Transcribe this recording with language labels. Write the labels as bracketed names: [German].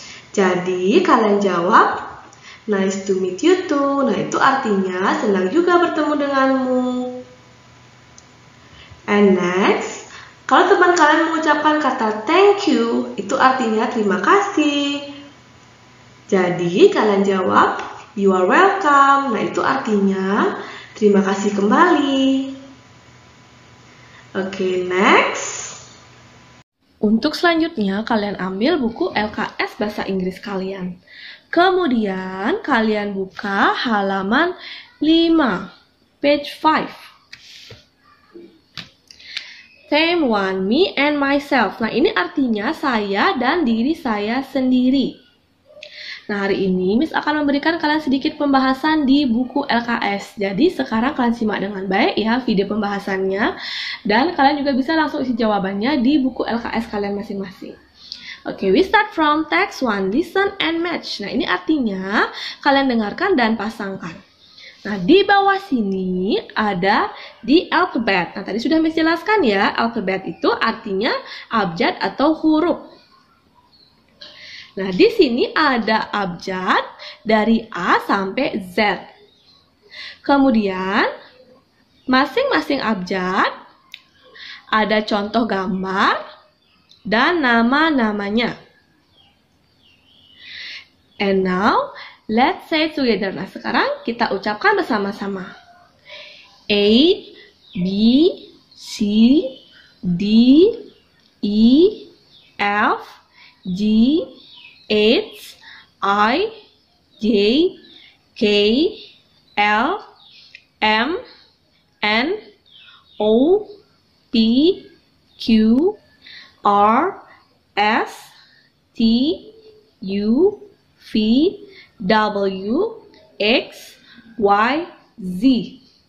[Indonesian] Jadi kalian jawab [English] nice to meet you too. [Indonesian] Nah, itu artinya senang juga bertemu denganmu. [English] And next, [Indonesian] kalau teman kalian mengucapkan kata thank you, itu artinya terima kasih. Jadi, kalian jawab, [English] you are welcome. [Indonesian] Nah, itu artinya terima kasih kembali. [English] Okay, next. [Indonesian] Untuk selanjutnya, kalian ambil buku LKS Bahasa Inggris kalian. Kemudian, kalian buka halaman 5, [English] page 5. Theme 1, me and myself. [Indonesian] Nah, ini artinya saya dan diri saya sendiri. Nah, hari ini Miss akan memberikan kalian sedikit pembahasan di buku LKS. Jadi, sekarang kalian simak dengan baik ya video pembahasannya. Dan kalian juga bisa langsung isi jawabannya di buku LKS kalian masing-masing. [English] Okay, we start from text 1, listen and match. [Indonesian] Nah, ini artinya kalian dengarkan dan pasangkan. Nah, di bawah sini ada di alphabet. Nah, tadi sudah menjelaskan ya, alphabet itu artinya abjad atau huruf. Nah, di sini ada abjad dari A sampai Z. Kemudian, masing-masing abjad ada contoh gambar dan nama-namanya. [English] And now, let's say together. [Indonesian] Nah, sekarang kita ucapkan bersama-sama. [English] A, B, C, D, E, F, G, H, I, J, K, L, M, N, O, P, Q, R, S, T, U, V, W, X, Y, Z.